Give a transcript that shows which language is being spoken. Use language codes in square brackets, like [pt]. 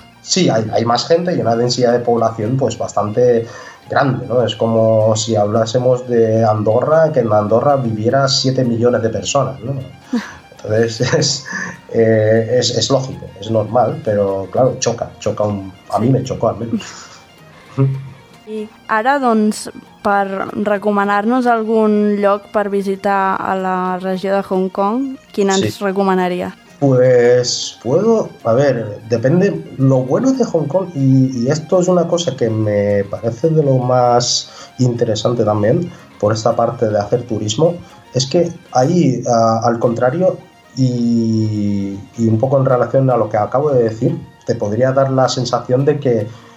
[es] Sí, hay más gente y una densidad de población pues bastante grande, ¿no? Es como si hablásemos de Andorra, que en Andorra viviera 7 millones de personas, ¿no? Entonces es lógico, es normal, pero claro, choca un, a mí me chocó al menos. [ca] I ara, doncs, per recomanar-nos algun lloc per visitar a la regió de Hong Kong, quin ens recomanaria? [es] Pues puedo, a ver, depende, lo bueno de Hong Kong, y esto es una cosa que me parece de lo más interesante también, por esta parte de hacer turismo, es que ahí, al contrario, y un poco en relación a lo que acabo de decir, te podría dar la sensación de que